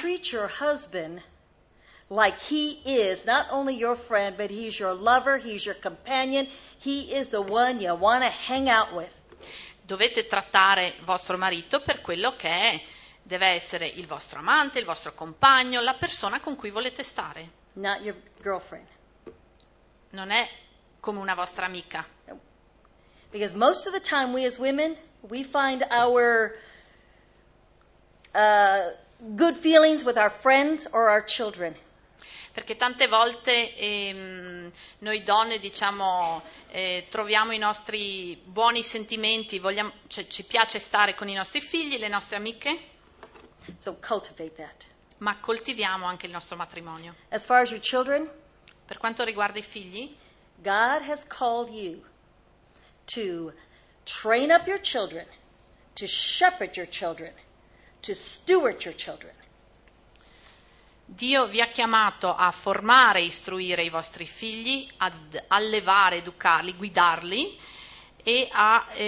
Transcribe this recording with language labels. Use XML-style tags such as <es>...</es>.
<en>Treat your husband like he is not only your friend, but he's your lover, he's your companion, he is the one you want to hang out with.</en> <it>Dovete trattare vostro marito per quello che è. Deve essere il vostro amante, il vostro compagno, la persona con cui volete stare.</it> <en>Not your girlfriend.</en> <it>Non è come una vostra amica.</it> <en>Because most of the time we as women, we find our good feelings with our friends or our children.</en> <it>Perché tante volte noi donne diciamo troviamo i nostri buoni sentimenti, vogliamo, cioè, ci piace stare con i nostri figli, le nostre amiche.</it> <en>So cultivate that.</en> <it>Ma coltiviamo anche il nostro matrimonio.</it> <en>As far as your children,</en> <it>per quanto riguarda i figli,</it> <en>God has called you to train up your children, to shepherd your children, to steward your children.</en> <it>Dio vi ha chiamato a formare e istruire i vostri figli, ad allevare, educarli, guidarli e a</it>